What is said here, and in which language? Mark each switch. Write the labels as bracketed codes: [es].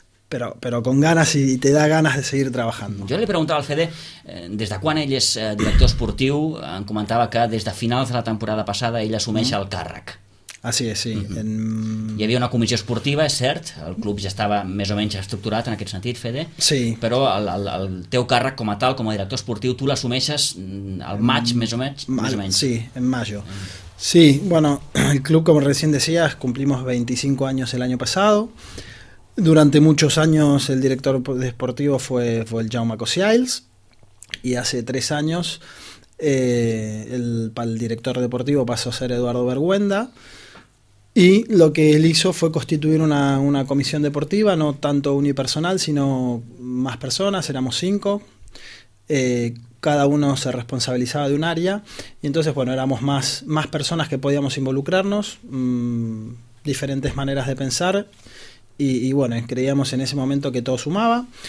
[es] Pero con ganas y te da ganas de seguir trabajando. [ca] Jo li preguntava al Fede des de quan ell és director esportiu. Em comentava que des de finals de la temporada passada ell assumeix el càrrec. Ah, sí, sí. Hi havia una comissió esportiva, és cert, el club ja estava més o menys estructurat en aquest sentit, Fede, sí. Però el teu càrrec com a tal, com a director esportiu, tu l'assumeixes al maig, més o menys. [es] Sí, en mayo. Sí, bueno, el club, como recién decías, cumplimos 25 años el año pasado. Durante muchos años el director deportivo fue el Jaume Cossialls, y hace 3 años... el director deportivo pasó a ser Eduardo Bergüenda, y lo que él hizo fue constituir una comisión deportiva, no tanto unipersonal sino más personas, éramos 5, cada uno se responsabilizaba de un área, y entonces bueno, éramos más personas que podíamos involucrarnos, diferentes maneras de pensar, y bueno, creíamos en ese momento que todo sumaba.